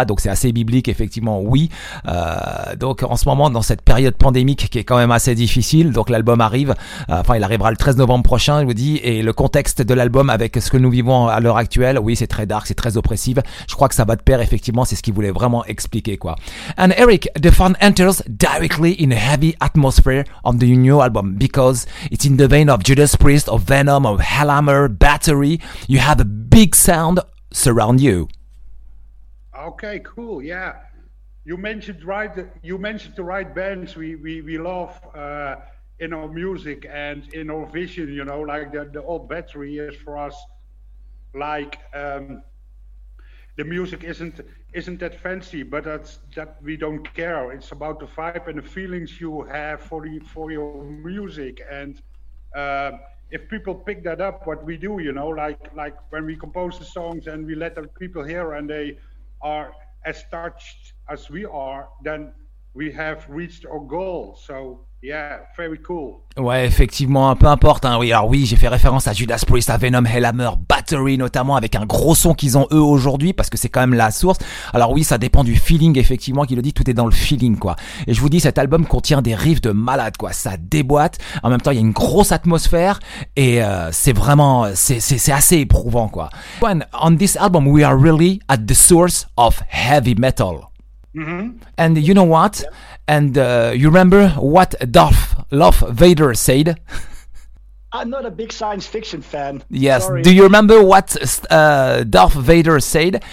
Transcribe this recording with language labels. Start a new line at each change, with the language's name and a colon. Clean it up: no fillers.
French: Donc c'est assez biblique effectivement, oui. Donc en ce moment, dans cette période pandémique qui est quand même assez difficile, donc l'album arrive, il arrivera le 13 novembre prochain, je vous dis, et le contexte de l'album avec ce que nous vivons à l'heure actuelle, oui, c'est très dark, c'est très oppressif. Je crois que ça va de pair effectivement, c'est ce qu'il voulait vraiment expliquer, quoi.
English: And Eric, the fun enters directly in a heavy atmosphere on the new album because it's in the vein of Judas Priest, of Venom, of Hellhammer, Battery. You have a big sound surround you. Okay, cool. Yeah, you mentioned the right bands we love in our music and in our vision. You know, like the old Battery is for us like the music isn't that fancy, but that's that we don't care. It's about the vibe and the feelings you have for your music. And if people pick that up, what we do, you know, like when we compose the songs and we let the people hear and they are as touched as we are, then we have reached our goal. So yeah, very cool.
French: Ouais, effectivement, peu importe, hein. Oui, alors oui, j'ai fait référence à Judas Priest, à Venom, Hellhammer, Battery, notamment, avec un gros son qu'ils ont eux aujourd'hui, parce que c'est quand même la source. Alors oui, ça dépend du feeling, effectivement, qui le dit, tout est dans le feeling, quoi. Et je vous dis, cet album contient des riffs de malade, quoi. Ça déboîte. En même temps, il y a une grosse atmosphère, et, c'est vraiment, c'est assez éprouvant, quoi.
English: When, on this album, we are really at the source of heavy metal. Mm-hmm. And you know what? Yeah. And you remember what Darth Loth Vader said? I'm not a big science fiction fan. Yes. Sorry. Do you remember what Darth Vader said?